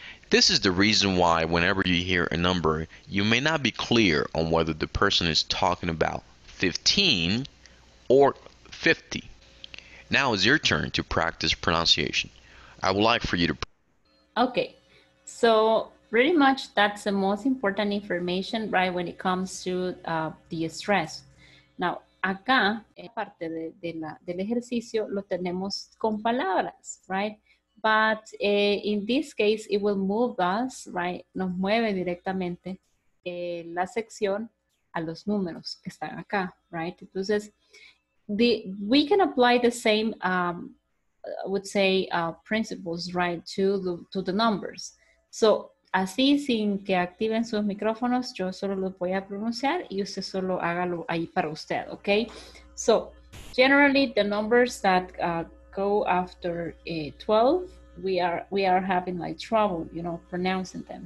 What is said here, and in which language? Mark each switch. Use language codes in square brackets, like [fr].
[en] This is the reason why whenever you hear a number, you may not be clear on whether the person is talking about 15 or 50. Now is your turn to practice pronunciation. I would like for you to... Okay, so pretty much that's the most important information, right, when it comes to the stress. [es] Now, acá, en parte del ejercicio, lo tenemos con palabras, right? [en] But in this case, it will move us, right? [es] Nos mueve directamente la sección a los números que están acá, right? [en] Entonces, we can apply the same, I would say, principles, right, to the numbers. [es] So, así sin que activen sus micrófonos, yo solo los voy a pronunciar y usted solo hágalo ahí para usted, okay? [en] So, generally, the numbers that go after 12, we are having like trouble, you know, pronouncing them.